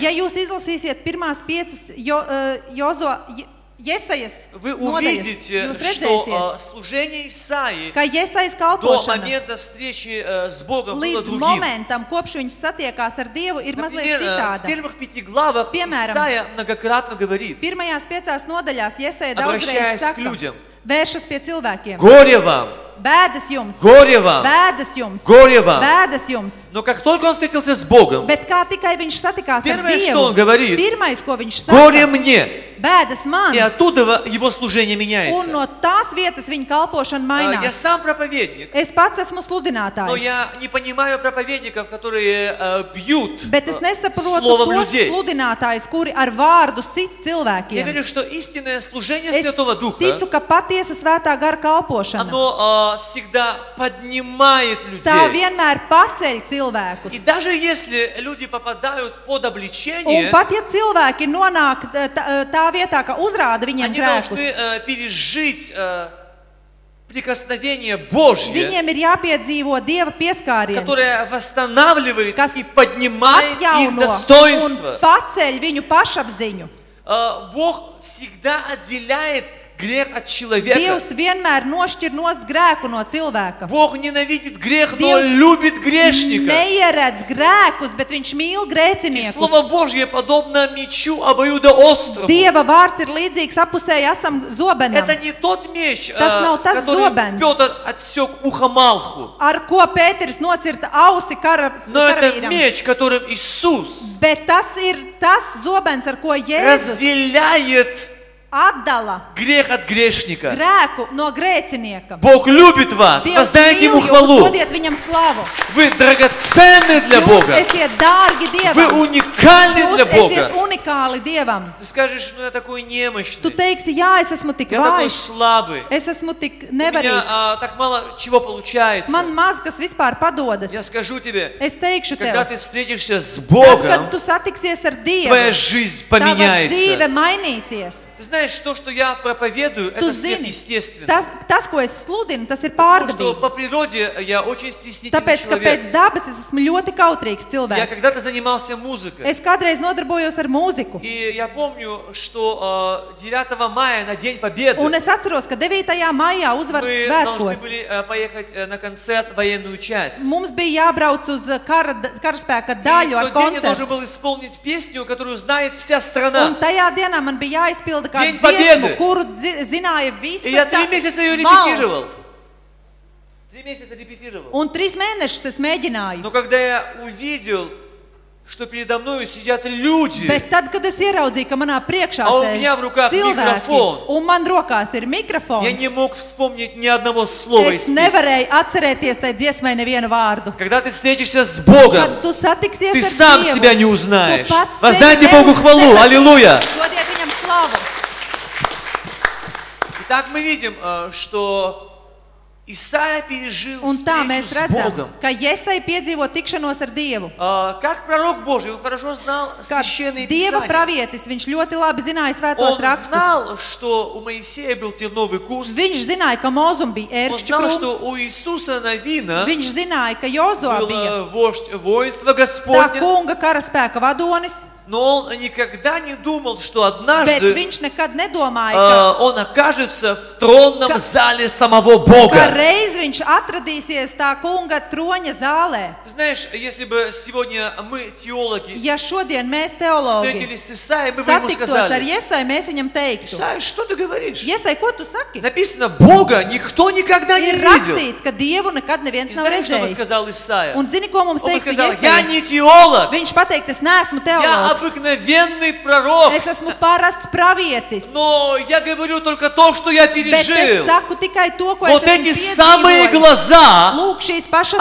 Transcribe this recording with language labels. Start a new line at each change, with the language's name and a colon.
Latvian: Ja jūs izlasīsiet pirmās piecas Jozo Jesajas nodaļas.
Russian: Вы увидите, что служение Исаии.
Latvian: Ka Jesajas kalpošana.
Russian: До момента встречи с Богом было другим.
Latvian: Līdz momentam, kopš viņš satiekās ar Dievu, ir mazliet citādi.
Russian: Первых пяти главах Исаия многократно говорит.
Latvian: Pirmajās piecās nodaļās Jesaja daudzreiz saka. Vēršas pie cilvēkiem.
Russian: Горе вам.
Latvian: Бедас jums.
Russian: Горе вам.
Latvian: Бедас jums.
Russian: Горе вам.
Latvian: Бедас jums.
Russian: Но как только он встретился с Богом.
Latvian: Bet kā tikai viņš satikās ar Dievu.
Russian: Первое, что он говорит.
Latvian: Pirmais, ko viņš saka.
Russian: Горе мне.
Latvian: Бедас man.
Russian: И оттуда его служение меняется.
Latvian: Un no tās vietas viņa kalpošana mainās.
Russian: Я сам проповедник.
Latvian: Es pats esmu sludinātājs.
Russian: Но я не понимаю проповедников, которые бьют.
Latvian: Bet es nesaprotu tos sludinātājus, kuri ar vārdu sit cilvēkiem.
Russian: Я верю, что истинное служение Святого Духа.
Latvian: Es ticu, ka patiesa Svētā Gara kalpošana.
Russian: Всегда поднимает людей.
Latvian: Tā vienmēr paceļ cilvēkus.
Russian: И даже если люди попадают под обличение,
Latvian: un pat ja cilvēki nonāk tā vietā, ka uzrāda viņiem grēkus,
Russian: они должны пережить прикосновение Божье.
Latvian: Viņiem ir jāpiedzīvo Dieva pieskāriens,
Russian: которое восстанавливает и поднимает их достоинство.
Latvian: Un paceļ viņu pašapziņu.
Russian: Бог всегда отделяет грех от человека.
Latvian: Dievs vienmēr nošķir nost grēku no cilvēka.
Russian: Бог ненавидит грех, но любит грешника.
Latvian: Neieredz grēkus, bet viņš mīl grēciniekus.
Russian: Слово Божье подобно мечу обоюдоострому.
Latvian: Dieva vārds ir līdzīgs apusēji asam zobenam.
Russian: Это не тот меч,
Latvian: tas nav tas zobens,
Russian: Пётр отсёк ухо Малху.
Latvian: Ar ko Pēters nocirta ausi karavīram.
Russian: Но это меч, которым Иисус.
Latvian: Bet tas ir tas zobens, ar ko Jēzus
Russian: разделяет
Latvian: Atdala. Grēku no grēšnieka. Grēku no grēcinieka.
Russian: Бог любит вас. Воздайте ему хвалу. Воздайте ему славу. Вы драгоценны для Бога.
Latvian: Jūs esiet dārgi Dievam.
Russian: Вы уникальны для Бога.
Latvian: Jūs esiet unikāli Dievam.
Russian: Ты скажешь, ну я такой немощный.
Latvian: Tu teiksi, jā, es esmu tik vājš.
Russian: Я такой слабый.
Latvian: Es esmu tik nevarīgs.
Russian: У меня так мало чего получается.
Latvian: Man maz kas vispār padodas.
Russian: Я скажу тебе.
Latvian: Es teikšu tev.
Russian: Когда ты встретишься с Богом.
Latvian: Kad tu satiksies ar Dievu.
Russian: Твоя жизнь поменяется.
Latvian: Tava dzīve mainīsies.
Russian: Ты знаешь, то, что я проповедую, это сверхъестественно.
Latvian: Tas, ko es sludinu, tas ir pārdabīgi.
Russian: Потому что по природе я очень стеснительный
Latvian: Tāpēc,
Russian: человек.
Latvian: Tāpēc, ka pēc dabas es esmu ļoti kautrīgs cilvēks.
Russian: Я когда-то занимался музыкой.
Latvian: Es kādreiz nodarbojos ar mūziku.
Russian: И я помню, что 9 мая на День Победы.
Latvian: Un es atceros, ka 9. Maijā uzvaras svētkos.
Russian: Мы должны были поехать на концерт военную часть.
Latvian: Mums bija jābrauc uz karaspēka daļu ar koncertu.
Russian: И в тот день я должен был исполнить песню, которую знает вся страна.
Latvian: Un tajā dienā man bija jāizpild
Russian: День Победы.
Latvian: Kuru zināja visu.
Russian: Я 3 месяца её репетировал. 3 месяца репетировал.
Latvian: Un 3 mēnešus es mēģināju.
Russian: Но когда я увидел, что передо мною сидят люди.
Latvian: Bet tad, kad es ieraudzīju, ka manā priekšā sēž.
Russian: А у меня в руках микрофон.
Latvian: Un man rokās ir mikrofons.
Russian: Я не мог вспомнить ни одного слова из песни.
Latvian: Es nevarēju atcerēties tai dziesmai nevienu vārdu.
Russian: Когда ты встретишься с Богом.
Latvian: Kad tu satiksies ar Dievu.
Russian: Ты сам себя не узнаешь. Воздайте Богу хвалу. Аллилуйя.
Latvian: Dodiet viņam slavu.
Russian: Так мы видим, что Исаия пережил встречу с Богом.
Latvian: Ka Jesaja piedzīvo tikšanos ar Dievu.
Russian: Как пророк Божий, он хорошо знал священные писания.
Latvian: Dieva pravietis, viņš ļoti labi zināja svētos rakstus.
Russian: Он знал, что у Моисея был терновый куст.
Latvian: Viņš zināja, ka Mozum bija ērkšķu krums.
Russian: Он знал, что у Иисуса Навина.
Latvian: Viņš zināja, ka Jozua bija.
Russian: Воинство Господне.
Latvian: Tā kunga karaspēka vadonis.
Russian: Но он никогда не думал, что однажды
Latvian: viņš nekad nedomāja,
Russian: он окажется в тронном зале самого Бога.
Latvian: Ka reiz viņš atradīsies tā kunga troņa zālē.
Russian: Знаешь, если бы сегодня мы, теологи,
Latvian: ja šodien mēs, teologi,
Russian: встретились с Исаией, мы бы ему сказали.
Latvian: Satiktos ar Jesaju, mēs viņam teiktu.
Russian: Исаия, что ты говоришь?
Latvian: Jesaja, ko tu saki?
Russian: Написано, Бога никто никогда не видел.
Latvian: Ir rakstīts, ka Dievu nekad neviens nav redzējis.
Russian: Знаешь, что бы сказал Исаия?
Latvian: Un zini, ko mums teikt Jesaja?
Russian: Он сказал, я не теолог.
Latvian: Viņš pateikt, es neesmu teologs.
Russian: Обыкновенный пророк.
Latvian: Es esmu parasts pravietis.
Russian: Но я говорю только то, что я пережил.
Latvian: Bet es saku tikai to, ko
Russian: вот
Latvian: es
Russian: эти самые глаза,
Latvian: Lūk, šīs pašas